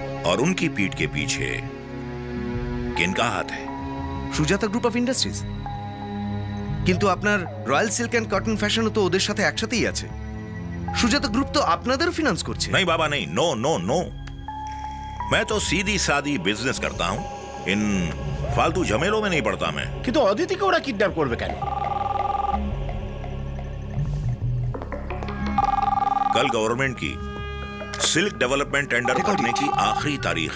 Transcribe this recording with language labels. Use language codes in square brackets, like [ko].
[hi] और उनकी पीठ के पीछे किनका हाथ है? [bn] Sujata group of industries. কিন্তু আপনার royal silk and cotton fashion তো ওদের সাথে একসাথেই আছে, সুজাতা গ্রুপ তো আপনাদের ফিনান্স করছে। নাই বাবা নাই, নো নো নো, [hi] মैं तो सीधी सादी बिजनेस करता हूं, इन फालतू झमेलों में नहीं पड़ता मैं। [bn] কিন্তু অদিতি কে ওরা কিডন্যাপ করবে কেন? [hi] কাল গভর্নমেন্ট কি सिल्क डेवलपमेंट टेंडर करने की आखिरी तारीख।